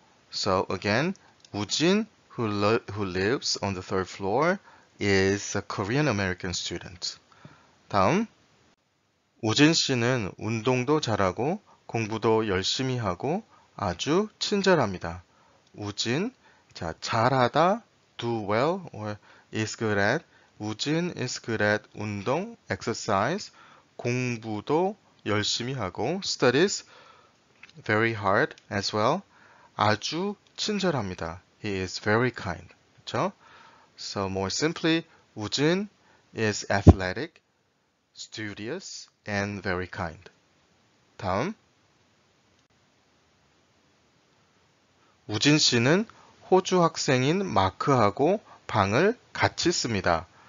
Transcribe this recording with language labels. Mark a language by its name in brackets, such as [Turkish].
[English] So again, 우진 who lives on the third floor is a Korean American student. [Korean] 다음, 우진 씨는 운동도 잘하고 공부도 열심히 하고 아주 친절합니다. [English] 우진, 자, [Korean] 잘하다, [English] do well, or is good at. 우진 is good at 운동, exercise, [Korean] 공부도 열심히 하고, [English] studies very hard as well. [Korean] 아주 친절합니다. [English] He is very kind. [Korean] 그쵸? [English] So more simply, 우진 is athletic, studious, and very kind. [Korean] 다음. 우진 씨는 호주 학생인 마크하고 방을 같이 씁니다.